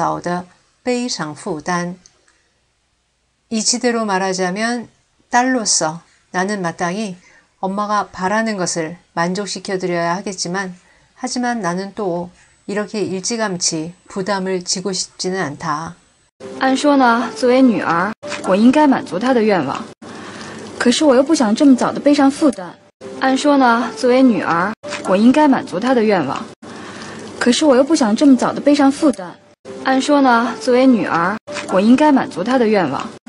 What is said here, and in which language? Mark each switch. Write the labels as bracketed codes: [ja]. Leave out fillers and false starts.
[zh] 按说呢，作为女儿，我应该满足她的愿望，可是我又不想这么早的背上负担。 [ko] 이치대로 말하자면 딸로서 나는 마땅히 엄마가 바라는 것을 만족시켜 드려야 하겠지만, 하지만 나는 또 이렇게 일찌감치 부담을 지고 싶지는 않다. [zh] 按说呢，作为女儿，我应该满足她的愿望。可是我又不想这么早的背上负担。按说呢，作为女儿，我应该满足她的愿望。可是我又不想这么早的背上负担。按说呢，作为女儿，我应该满足她的愿望。